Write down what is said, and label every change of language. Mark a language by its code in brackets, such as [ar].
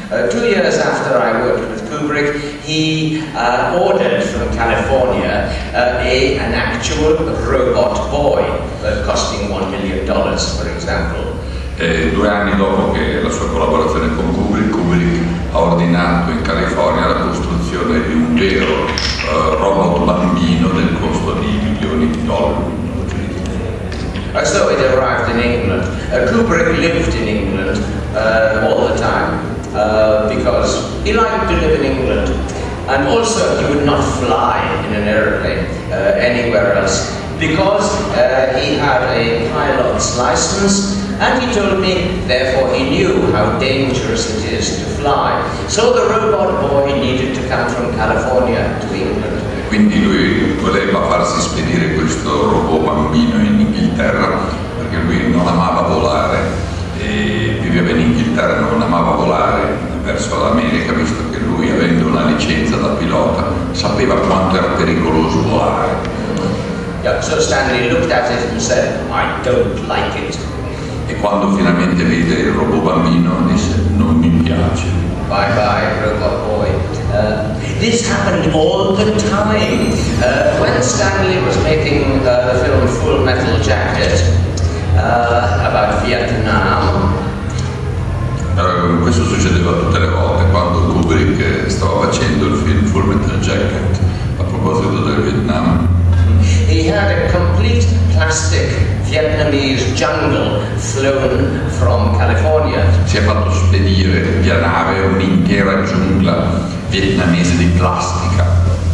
[en] 2 years after I worked with Kubrick, he California an actual robot boy costing $1 million, for example. [it] Due anni dopo che la sua collaborazione con Kubrick ha ordinato in California la costruzione di un vero robot bambino del costo di milioni di dollari. [en] So it arrived in England. Kubrick lived in England all the time because he liked to live in England. And also he would not fly in an aeroplane anywhere else because he had a pilot's license, and he told me therefore he knew how dangerous it is to fly. So the robot boy needed to come from California to England. [it] Quindi lui voleva farsi spedire questo robot bambino in Inghilterra, perché lui non amava volare e viveva in Inghilterra, non amava volare verso l'America, visto che lui, avendo una licenza da pilota, sapeva quanto era pericoloso volare. [en] Yeah, so Stanley looked at it and said, I don't like it. [it] E quando finalmente vide il robot bambino, disse, non mi piace. [en] Bye bye, robot boy. This happened all the time. When Stanley was making the film Full Metal Jacket about Vietnam. [it] Questo succedeva tutte le volte quando Kubrick stava facendo il film Full Metal Jacket a proposito del Vietnam. [en] He had a complete plastic Vietnamese jungle flown from California. [it] Si è fatto spedire via nave un'intera giungla vietnamese di plastica.